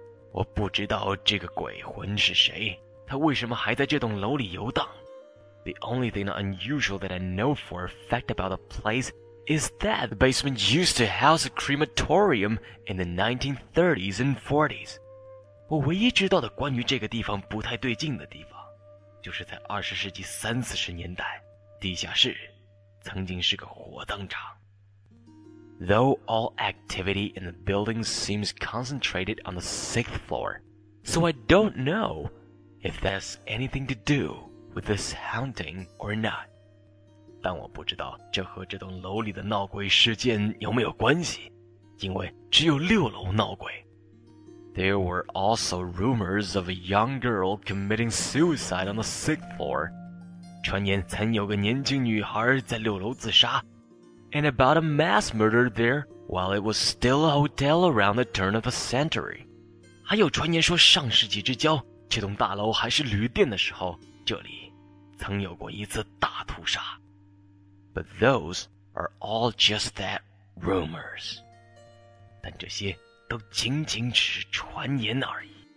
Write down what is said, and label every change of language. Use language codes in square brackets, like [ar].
[zh] 我不知道这个鬼魂是谁，他为什么还在这栋楼里游荡。 [en] The only thing unusual that I know for a fact about the place is that the basement used to house a crematorium in the 1930s and 40s. [zh] 我唯一知道的关于这个地方不太对劲的地方，就是在20世纪三四十年代，地下室曾经是个火葬场。 [en] Though all activity in the building seems concentrated on the sixth floor, so I don't know if that's anything to do. With this haunting or not. [zh] 但我不知道这和这栋楼里的闹鬼事件有没有关系，因为只有六楼闹鬼。 [en] There were also rumors of a young girl committing suicide on the sixth floor. [zh] 传言曾有个年轻女孩在六楼自杀。 [en] And about a mass murder there while it was still a hotel around the turn of the century. [zh] 还有传言说上世纪之交，这栋大楼还是旅店的时候，这里曾有过一次大屠杀。 [en] But those are all just that rumors. [zh] 但这些都仅仅只是传言而已。